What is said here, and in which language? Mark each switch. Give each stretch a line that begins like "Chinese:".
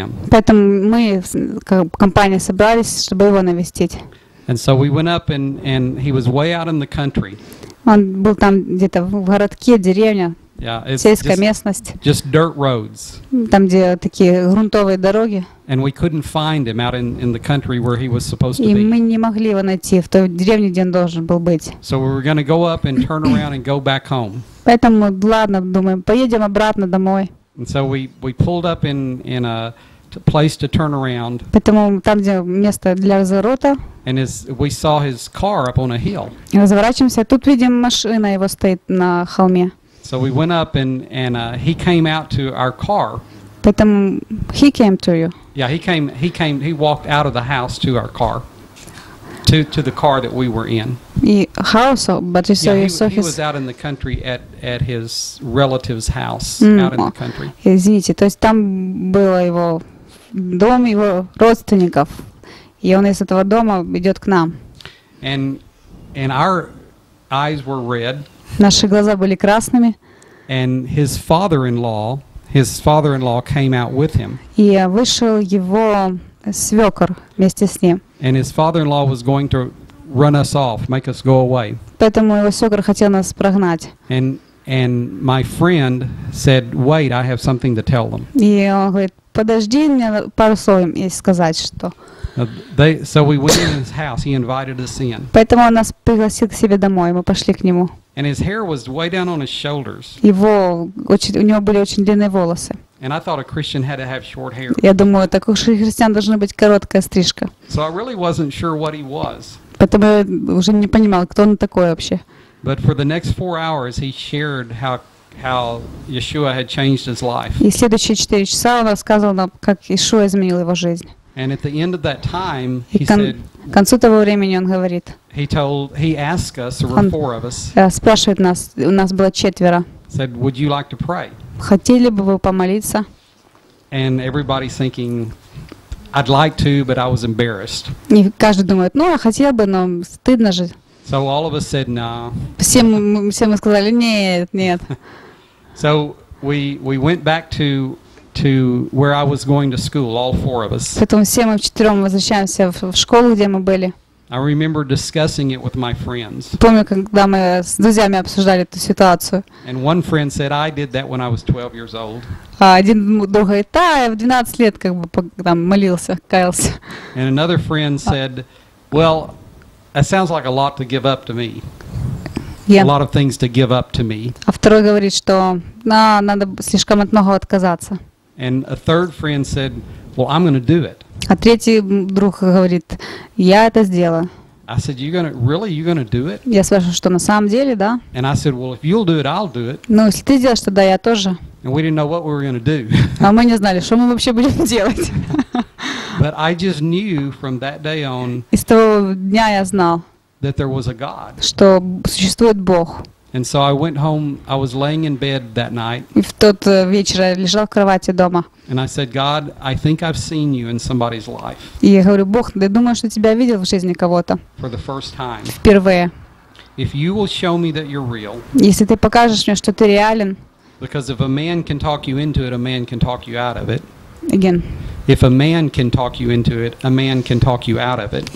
Russian: Поэтому мы компания собрались, чтобы его навестить.
English: And so we went up and he was way out in the country.
Russian: Он был там где-то в городке, деревня, сельская местность.
English: Just dirt roads.
Russian: Там где такие грунтовые дороги.
English: And we couldn't find him out in the country where he was supposed to be.
Russian: И мы не могли его найти в той деревне, где он должен был быть.
English: So we were going to go up and turn around and go back home.
Russian: Поэтому, ладно, думаем, поедем обратно домой.
English: And so we pulled up in a place to turn around.
Russian: Поэтому там, где место для разворота.
English: And as we saw his car up on a hill.
Russian: И разворачиваемся, тут видим машина его стоит на холме.
English: So we went up and he came out to our car.
Russian: Поэтому
English: he came to you. Yeah, he came. He walked out of the house to our car, to the car that we were in.
Russian: И
English: house, but you saw, yeah, you saw he his. He was out in the country at his relative's house, out in the country.
Russian: Извините, то есть там было его дом его родственников, и он из этого дома идет к нам.
English: And our eyes were red.
Russian: Наши глаза были красными.
English: And His father-in-law came out with him.
Russian: И вышел его свёкор вместе с ним.
English: And his father-in-law was going to run us off, make us go away.
Russian: Поэтому его свёкор хотел нас прогнать.
English: And my friend said, "Wait, I have something to tell them."
Russian: И он говорит, подожди, мне пару слов им и сказать что.
English: So we went in his house. He invited us in.
Russian: Поэтому он нас пригласил к себе домой. Мы пошли к нему.
English: And his hair was way down on his shoulders.
Russian: У него были очень длинные волосы.
English: And I thought a Christian had to have short hair.
Russian: Я думаю, так уж и христиан должна быть короткая стрижка.
English: So I really wasn't sure what he was.
Russian: Поэтому я уже не понимал, кто он такой вообще.
English: But for the next 4 hours, he shared how Yeshua had changed his life.
Russian: И следующие 4 часа он рассказывал нам, как Иешуа изменил его жизнь.
English: And at the end of that time, he said.
Russian: К концу того времени он говорит.
English: He asked us, there were four of us.
Russian: Спрашивает нас, у нас было четверо.
English: Said, would you like to pray?
Russian: Хотели бы вы помолиться?
English: And everybody's thinking, I'd like to, but I was embarrassed.
Russian: И каждый думает, ну, я хотел бы, но стыдно же.
English: So all of us said, no.
Russian: Все мы сказали, нет, нет.
English: So we went back to where I was going to school, all four of us.
Russian: Поэтому все мы вчетвером возвращаемся в школу, где мы были.
English: I remember discussing it with my friends.
Russian: Помню, когда мы с друзьями обсуждали эту ситуацию.
English: And one friend said, I did that when I was 12 years old.
Russian: Один друг говорит, да, я в 12 лет как бы там молился, каялся.
English: And another friend said, well, that sounds like a lot to give up to me. Yeah. A lot of things to give up to me.
Russian: А второй говорит, что надо слишком от многого отказаться.
English: And a third friend said, well, I'm going to do it.
Russian: А третий друг говорит, я это сделаю.
English: I said, you're going to do it?
Russian: Я спрашиваю, что на самом деле, да?
English: And I said, well, if you'll do it, I'll do it.
Russian: Ну, если ты сделаешь, тогда я тоже.
English: And we didn't know what we were going to do.
Russian: А мы не знали, что мы вообще будем делать.
English: But I just knew from that day on.
Russian: И с того дня я знал.
English: That there was a God.
Russian: Что существует Бог.
English: And so I went home. I was laying in bed that night.
Russian: И в тот вечер я лежал в кровати дома.
English: And I said, God, I think I've seen you in somebody's life.
Russian: И я говорю, Бог, я думаю, что тебя видел в жизни кого-то.
English: For the first time.
Russian: Впервые.
English: If you will show me that you're real.
Russian: Если ты покажешь мне, что ты реален.
English: Because if a man can talk you into it, a man can talk you out of it. Again. If a man can talk you into it, a man can talk you out of it.